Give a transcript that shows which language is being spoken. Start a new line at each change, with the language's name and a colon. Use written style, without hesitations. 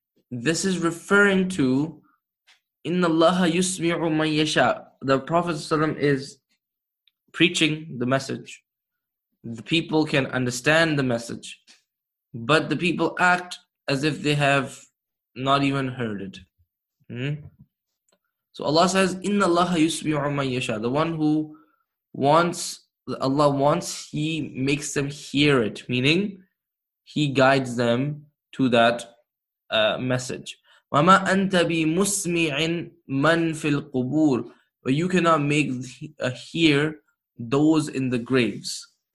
English: This is referring to
Arabic: إِنَّ اللَّهَ يُسْمِعُ مَنْ يَشَاءُ.
English: The Prophet ﷺ is preaching the message. The people can understand the message, but the people act as if they have not even heard it. So Allah says,
Arabic: إِنَّ اللَّهَ يُسْمِعُ مَنْ يَشَاءُ.
English: The one who wants, Allah wants, He makes them hear it, meaning He guides them to that message.
Arabic: وَمَا أَنْتَ بِمُسْمِعٍ مَنْ فِي الْقُبُورِ.
English: But you cannot make hear those in the graves.